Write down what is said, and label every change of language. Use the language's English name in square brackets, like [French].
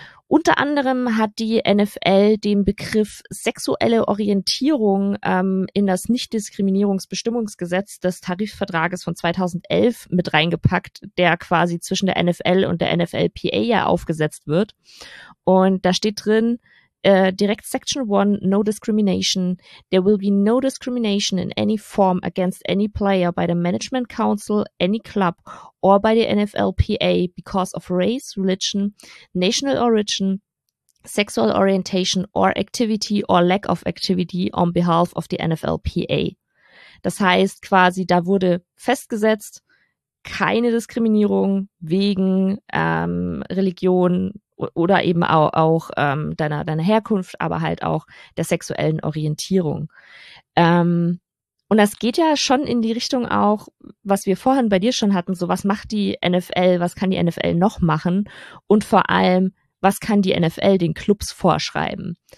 [German] Unter anderem hat die NFL den Begriff sexuelle Orientierung in das Nichtdiskriminierungsbestimmungsgesetz des Tarifvertrages von 2011 mit reingepackt, der quasi zwischen der NFL und der NFLPA ja aufgesetzt wird. Und da steht drin: [English] Direct Section 1, no discrimination. There will be no discrimination in any form against any player by the Management Council, any club or by the NFLPA because of race, religion, national origin, sexual orientation or activity or lack of activity on behalf of the NFLPA. [German] Das heißt quasi, da wurde festgesetzt, keine Diskriminierung wegen Religion oder eben auch deiner Herkunft, aber halt auch der sexuellen Orientierung. Und das geht ja schon in die Richtung auch, was wir vorhin bei dir schon hatten, so was macht die NFL, was kann die NFL noch machen und vor allem, was kann die NFL den Clubs vorschreiben?